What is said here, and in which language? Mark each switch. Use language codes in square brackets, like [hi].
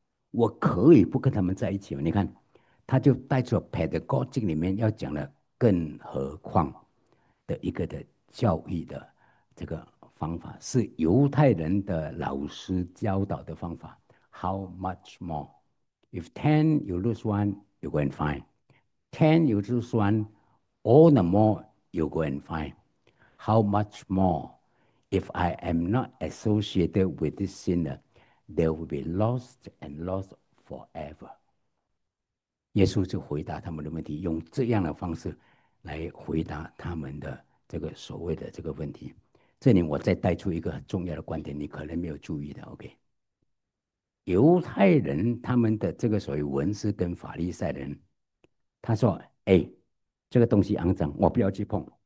[zh] 我可以不跟他们在一起吗？你看，他就带出了 pedagogic 里面要讲的“更何况”的一个的教育的这个。方法是犹太人的老师教导的方法。 [en] How much more? If ten you lose one, you go and find. Ten you lose one, all the more you go and find. How much more? If I am not associated with this sinner, they will be lost and lost forever. [zh] 耶稣就回答他们的问题，用这样的方式来回答他们的这个所谓的这个问题。这里我再带出一个很重要的观点，你可能没有注意的。 OK，犹太人他们的这个所谓文士跟法利赛人，他说：“哎，这个东西肮脏，我不要去碰。